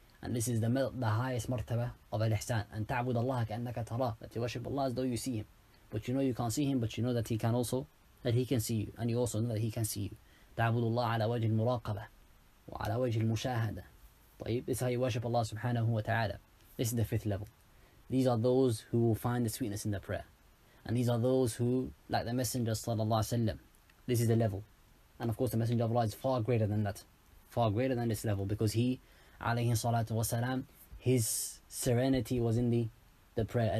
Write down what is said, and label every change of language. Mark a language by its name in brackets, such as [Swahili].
[English] And this is the highest martaba of al-ihsan. And [Arabic] ta'bud Allah ka'annaka tara, [English] that you worship Allah as though you see Him, but you know you can't see Him, but you know that He can also, that He can see you, and you also know that He can see you. [Arabic] تعبد الله على وجه المراقبة وعلى وجه المشاهدة. [English] طيب, this is how you worship Allah subhanahu wa ta'ala. This is the fifth level. These are those who will find the sweetness in the prayer. And these are those who, like the Messenger sallallahu alayhi wa sallam, this is the level. And of course the Messenger of Allah is far greater than that. Far greater than this level, because he, alayhi salatu wa salam, his serenity was in the prayer.